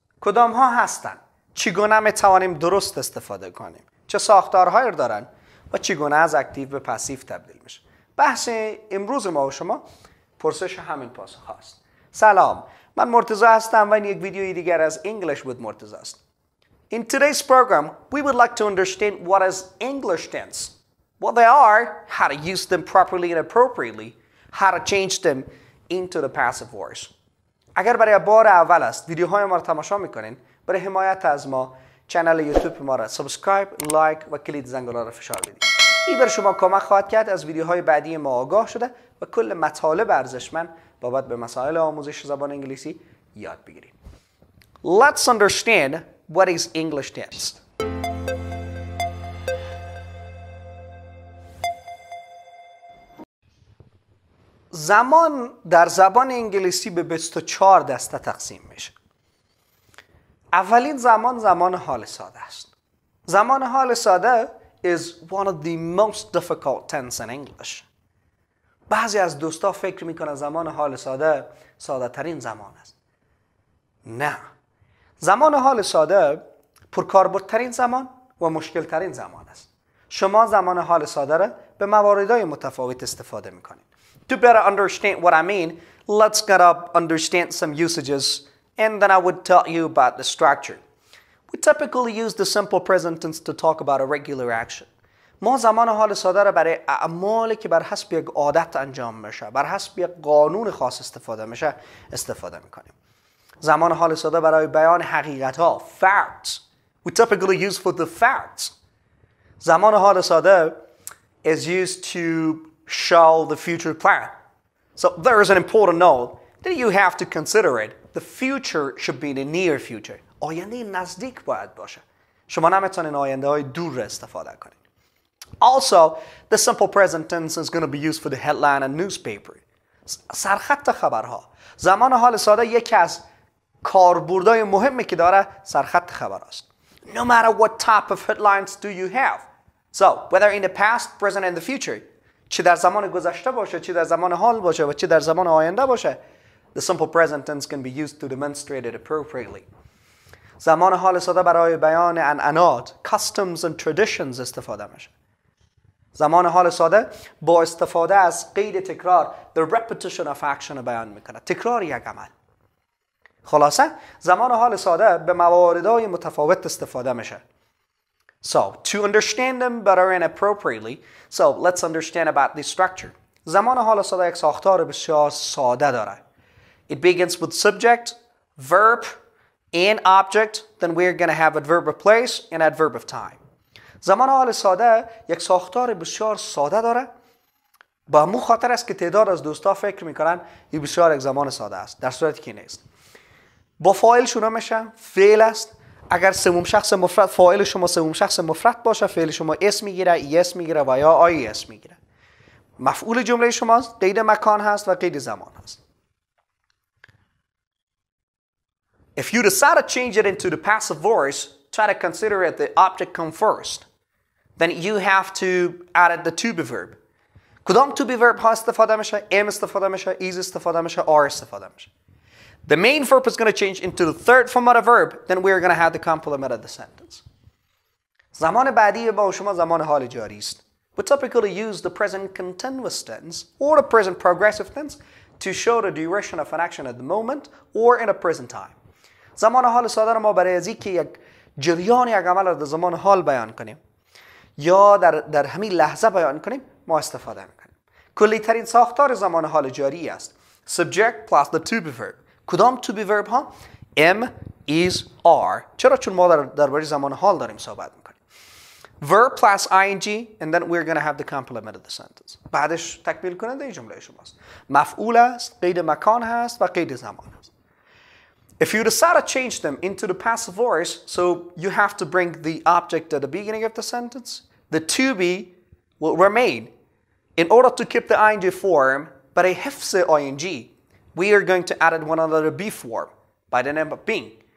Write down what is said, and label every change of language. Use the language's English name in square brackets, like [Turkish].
[Persian] کدام ها هستن؟ چگونه می توانیم درست استفاده کنیم؟ چه ساختارهایی دارن؟ و چگونه از اکتیو به پسیو تبدیل میشه؟ بحث امروز ما و شما پرسش همین پاسخ هاست. سلام، من مرتضی هستم و این یک ویدیوی دیگر از انگلش بود مرتضی است. [English] In today's program, we would like to understand what is English tense. What they are, how to use them properly and appropriately, how to change them into the passive voice. [Persian] اگر برای بار اول است ویدیوهای ما را تماشا میکنین، برای حمایت از ما چنل یوتیوب ما را سابسکرایب، لایک و کلید زنگوله را فشار بدید. این بر شما کمک خواهد کرد از ویدیوهای بعدی ما آگاه شده و کل مطالب ارزشمند بابت به مسائل آموزش زبان انگلیسی یاد بگیرید. [English] Let's understand what is English tense. [Persian] زمان در زبان انگلیسی به 24 دسته تقسیم میشه. اولین زمان، زمان حال ساده است. زمان حال ساده is one of the most difficult tense in English. بعضی از دوستا فکر میکنن زمان حال ساده ساده ترین زمان است. نه. زمان حال ساده پرکاربردترین زمان و مشکل ترین زمان است. شما زمان حال ساده را به مواردهای متفاوت استفاده میکنید. [English] To better understand what I mean, let's get up, understand some usages, and then I would tell you about the structure. We typically use the simple present tense to talk about a regular action. [Persian] ما زمان حال ساده را برای اعمالی که بر حسب یک عادت انجام میشه، بر حسب یک قانون خاص استفاده میشه، استفاده میکنیم. زمان حال ساده برای بیان حقیقت ها، facts. [English] We typically use for the facts. [Persian] زمان حال ساده [English] is used to show the future plan. So there is an important note that you have to consider it. The future should be in the near future. [Persian] آینده نزدیک باید باشه. شما نمیتونین آینده های دور استفاده کنین. [English] Also, the simple present tense is going to be used for the headline and newspaper. [Persian] سرخط خبرها. زمان حال ساده یکی از کاربردهای مهمی که داره سرخط خبر است. [English] No matter what type of headlines do you have. So, whether in the past, present and the future, [Persian] چه در زمان گذشته باشه، چه در زمان حال باشه و چه در زمان آینده باشه، [English] the simple present tense can be used to demonstrate it appropriately. [Persian] زمان حال ساده برای بیان عنعنات، [English] customs and traditions [Persian] استفاده میشه. زمان حال ساده با استفاده از قید تکرار، [English] the repetition of action [Persian] بیان میکنه، تکرار یک عمل. خلاصه زمان حال ساده به مواردهای متفاوت استفاده میشه. [English] So, to understand them better and appropriately, so let's understand about the structure. [Persian] زمان حال ساده یک ساختار بسیار ساده داره. [English] It begins with subject, verb, and object, then we're going to have adverb of place and adverb of time. [Persian] زمان حال ساده یک ساختار بسیار ساده داره. با مو خاطر است که تعداد از دوستا فکر میکنن این بسیار یک زمان ساده است. در صورتی که نیست. با فاعل شروع میشه، فعل است. اگر سوم شخص مفرد، فاعل شما سوم شخص مفرد باشه، فعل شما اس میگیره، اس میگیره و یا آی اس میگیره. مفعول جمله شماست، قید مکان هست و قید زمان هست. [English] If you decide to change it into the passive voice, try to consider it the object come first. Then you have to add the to be verb. [Persian] کدام to be verb ها استفاده میشه؟ ام استفاده میشه، ایز استفاده میشه، آر استفاده میشه. [English] The main verb is going to change into the third form of a verb, then we are going to have the complement of the sentence. [Persian] زمان بعدی با شما زمان حال جاری است. [English] We typically use the present continuous tense or the present progressive tense to show the duration of an action at the moment or in a present time. [Persian] زمان حال ساده ما برای از اینکه یک جریان یک عمل را در زمان حال بیان کنیم یا در همین لحظه بیان کنیم ما استفاده میکنیم. کلی ترین ساختار زمان حال جاری است. [English] Subject plus the to be verb. کدام to be verb ها؟ am, is, are. [Persian] چرا؟ چون ما در باره زمان حال داریم صحبت میکنیم. [English] Verb plus ing and then we're going to have the complement of the sentence. [Persian] بعدش تکمیل کننده این جمله شماست. مفعول است، قید مکان هست و قید زمان هست. [English] If you decide to change them into the passive voice, so you have to bring the object at the beginning of the sentence, the to be will remain. In order to keep the ing form, [Persian] برای حفظ ing, [English] we are going to add one another before by the name of being.